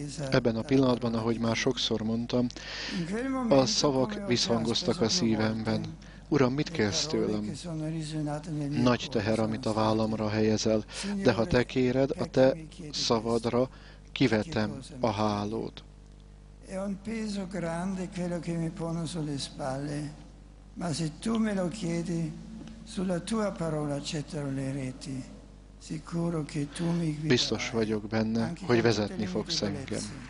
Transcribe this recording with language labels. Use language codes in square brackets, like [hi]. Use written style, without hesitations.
[hu] Ebben a pillanatban, ahogy már sokszor mondtam, a szavak visszhangoztak a szívemben. Uram, mit kérsz tőlem? Nagy teher, amit a vállamra helyezel, de ha te kéred, a te szavadra kivetem a hálót. [it] È un peso grande quello che mi pongo sulle spalle, ma se tu me lo chiedi, sulla tua parola accetterò le reti, sicuro che tu mi guiderai. [hu] Biztos vagyok benne, hogy vezetni fogsz engem.